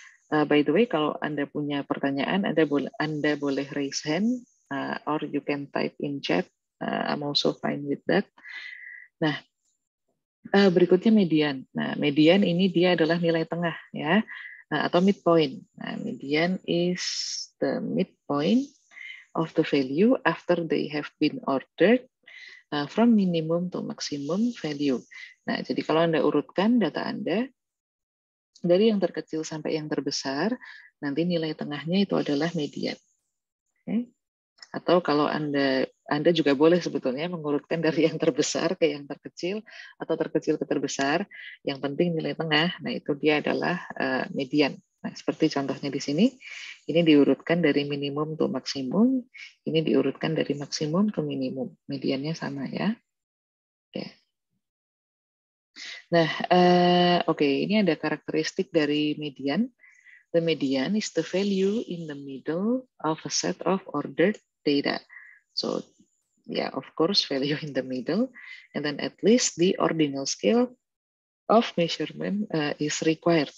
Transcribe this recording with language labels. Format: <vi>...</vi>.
<en>By the way,</en> <id>kalau Anda punya pertanyaan, Anda boleh</id> <en>raise hand or you can type in chat. I'm also fine with that.</en> <id>Nah, berikutnya median. Nah, median ini dia adalah nilai tengah ya, atau midpoint.</id> <en>Nah, median is the midpoint of the value after they have been ordered. From minimum to maximum value.</en> <id>Nah, jadi kalau Anda urutkan data Anda dari yang terkecil sampai yang terbesar, nanti nilai tengahnya itu adalah median. Okay. Atau kalau Anda juga boleh sebetulnya mengurutkan dari yang terbesar ke yang terkecil atau terkecil ke terbesar, yang penting nilai tengah. Nah, itu dia adalah median. Nah, seperti contohnya di sini, ini diurutkan dari minimum ke maksimum, ini diurutkan dari maksimum ke minimum. Mediannya sama ya. Oke. Nah, ini ada karakteristik dari median.</id> <en>The median is the value in the middle of a set of ordered data. So, yeah, of course, value in the middle. And then at least the ordinal scale of measurement is required.</en>